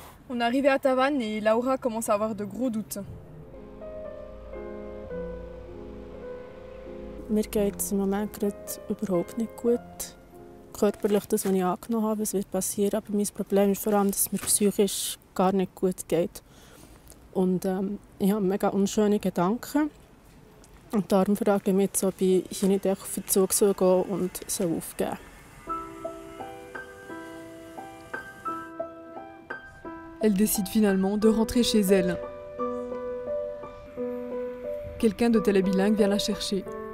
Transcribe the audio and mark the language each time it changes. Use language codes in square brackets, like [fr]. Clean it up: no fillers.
[fr] On est arrivé à Tavan et Laura commence à avoir de gros doutes. [de] Mir geht es im Moment gerade überhaupt nicht gut. Körperlich das, was ich angenommen habe, es wird passieren. Aber mein Problem ist vor allem, dass es mir psychisch gar nicht gut geht. Und ich habe mega unschöne Gedanken. Und darum frage ich mich jetzt, ob ich hier nicht auf den Zug gehen soll und so aufgeben. [fr] Elle décide finalement de rentrer chez elle. Quelqu'un de télébilingue vient la chercher.